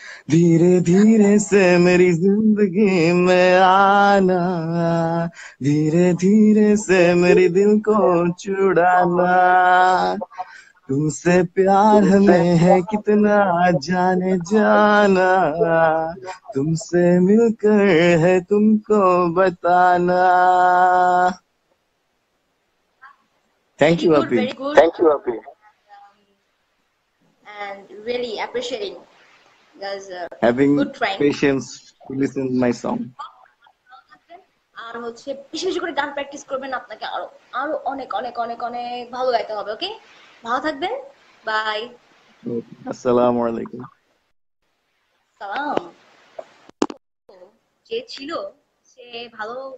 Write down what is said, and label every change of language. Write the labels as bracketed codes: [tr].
[hi] धीरे धीरे से मेरी जिंदगी में आना, धीरे धीरे से मेरे दिल को चुड़ाना, तुमसे प्यार हमें है कितना जाने जाना, तुमसे मिलकर है तुमको बताना। [en] Thank you अपी, thank you अपी, and really appreciating having patience to listen to my song. [bn] আর হচ্ছে বিশেষ করে গান প্র্যাকটিস করবেন, আপনাকে আরো আরো অনেক অনেক অনেক অনেক ভালো গাইতে হবে। ওকে, ভালো থাকবেন, বাই, আসসালামু আলাইকুম। সালাম। যে ছিল সে ভালো।